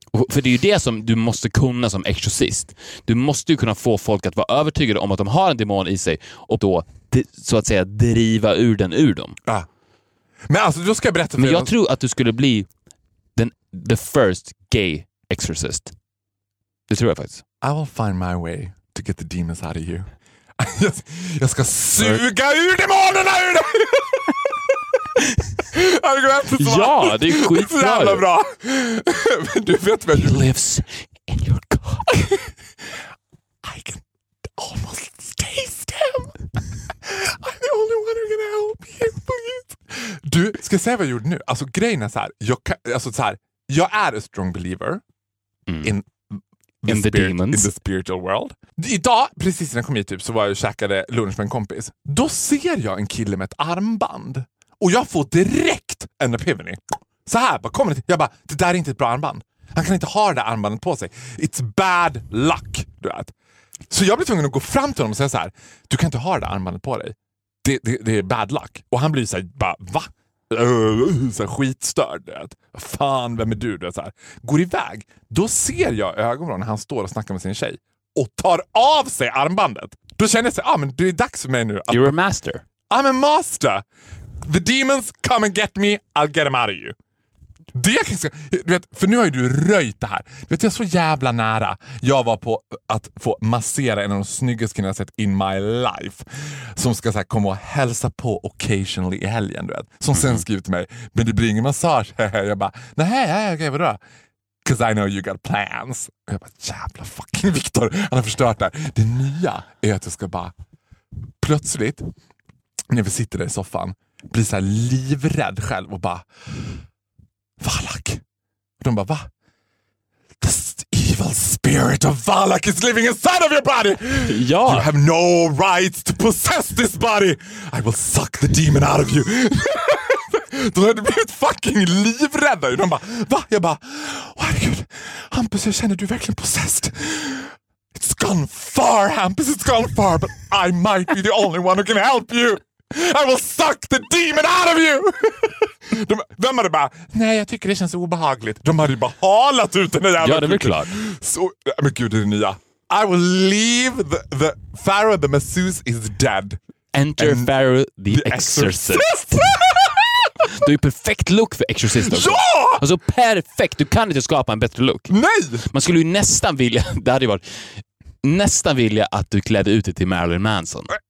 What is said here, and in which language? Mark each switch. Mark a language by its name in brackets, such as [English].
[Swedish] För det är ju det som du måste kunna som exorcist. Du måste ju kunna få folk att vara övertygade om att de har en demon i sig och då, så att säga, driva ur den ur dem. Ja. Men alltså, då ska jag berätta för dig. Men jag tror att du skulle bli [English] the first gay exorcist. [Swedish] Det tror jag faktiskt. [English] I will find my way to get the demons out of you. [Swedish] Jag ska suga ur demonerna ur dem! Ja, det är skitbra. Det är jävla bra. Men du vet vad du... [English] He lives in your cock. I can almost taste him. I'm the only one who's gonna help you, please. [Swedish] Du, ska jag säga vad jag gjorde nu? Alltså, grejen är så här. Jag är [English] a strong believer in the demons. In the spiritual world. [Swedish] Idag, precis innan jag kom hit, typ, så var jag och käkade lunch med en kompis. Då ser jag en kille med ett armband. Och jag får direkt en epiphany. Så här, vad kommer det? Jag bara, det där är inte ett bra armband. Han kan inte ha det armbandet på sig. [English] It's bad luck, [Swedish] du vet. Så jag blir tvungen att gå fram till honom och säga så här. Du kan inte ha det armbandet på dig. Det är [English] bad luck. [Swedish] Och han blir så här, bara, va? Så här, skitstörd, du vet. Fan, vem är du? Du vet, så här. Går iväg. Då ser jag ögonen när han står och snackar med sin tjej. Och tar av sig armbandet. Då känner jag så här, men det är dags för mig nu. Att, [English] you're a master. I'm a master. The demons, come and get me, I'll get them out of you. [Swedish] Det jag kan säga, du vet, för nu har ju du röjt det här. Du vet, jag är så jävla nära. Jag var på att få massera en av de snyggaste kvinnor jag sett [English] in my life. [Swedish] Som ska så här, komma och hälsa på occasionally i helgen, du vet. Som sen skriver till mig, men det blir ingen massage. Jag bara, okej, vadå? [English] Because I know you got plans. [Swedish] Och jag bara, jävla fucking Victor, han har förstört det här. Det nya är att jag ska bara, plötsligt, när vi sitter där i soffan, blir så här livrädd själv och bara Valak. Och de bara, va? [English] The evil spirit of Valak is living inside of your body. [Swedish] Ja. [English] You have no right to possess this body. I will suck the demon out of you. [Swedish] De hade blivit fucking livrädda. De bara, va? Jag bara, oh, herregud, Hampus, jag känner du verkligen possessed. [English] It's gone far, Hampus, it's gone far, but I might be the only one who can help you. I will suck the demon out of you! [Swedish] Vem hade bara, nej, jag tycker det känns obehagligt. De hade ju bara halat ut den där jävla. Ja, det är väl klart. Så, men gud, det är nya. [English] I will leave the Pharaoh the masseuse is dead. Enter and Pharaoh the exorcist. [Swedish] Du är perfekt look för exorcist också. Ja! Alltså perfekt, du kan inte skapa en bättre look. Nej! Man skulle ju nästan vilja, det hade ju varit, nästan vilja att du klädde ut dig till Marilyn Manson.